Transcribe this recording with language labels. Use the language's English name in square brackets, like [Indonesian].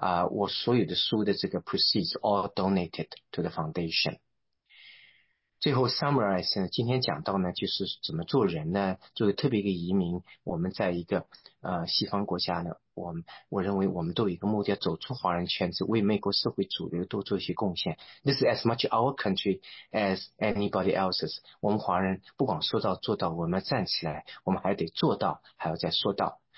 [Chinese] 我所有的书的这个 [English] proceeds all donated to the foundation。 [Chinese] 最后 summarize 呢，今天讲到呢就是怎么做人呢。作为特别一个移民，我们在一个西方国家呢，我认为我们都有一个目的，走出华人圈子，为美国社会主流多做一些贡献。 [English] This is as much our country as anybody else's。 [Chinese] 我们华人不管说到做到，我们站起来，我们还得做到，还要再说到。